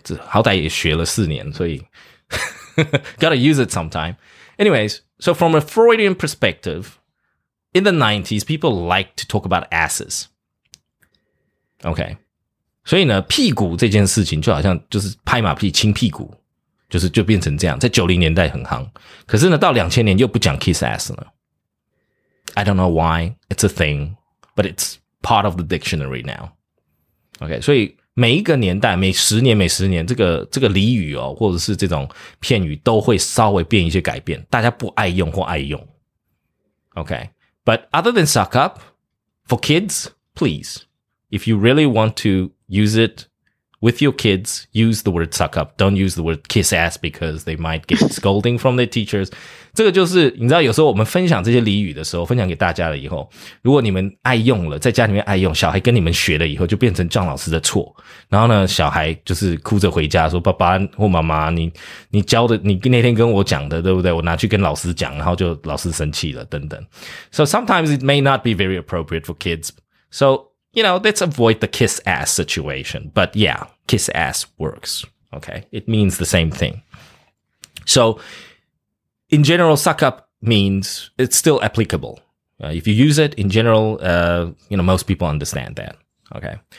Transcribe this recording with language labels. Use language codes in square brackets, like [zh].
[zh] 这好歹也学了四年，所以。 [en] Gotta use it sometime. Anyways, so from a Freudian perspective, in the 90s, people liked to talk about asses. Okay. [zh] 所以呢，屁股这件事情就好像就是拍马屁、亲屁股，就是就变成这样，在90年代很夯。可是呢，到2000年又不讲 kiss ass 了。 [en] I don't know why, it's a thing, but it's part of the dictionary now. [zh] Okay, 所以每一个年代，每十年，每十年，这个俚语哦，或者是这种片语，都会稍微变一些改变，大家不爱用或爱用。 [en] Okay, but other than suck up, for kids, please, if you really want to use it with your kids, use the word suck up. Don't use the word kiss ass because they might get scolding from their teachers. [zh] 这个就是你知道，有时候我们分享这些俚语的时候，分享给大家了以后，如果你们爱用了，在家里面爱用，小孩跟你们学了以后，就变成张老师的错。然后呢，小孩就是哭着回家说：“爸爸或妈妈，你教的，你那天跟我讲的，对不对？我拿去跟老师讲，然后就老师生气了，等等。” [en] So sometimes it may not be very appropriate for kids. So you know, let's avoid the kiss ass situation. But yeah, kiss ass works. Okay, it means the same thing. So. In general, suck up means it's still applicable. If you use it in general, you know, most people understand that. Okay.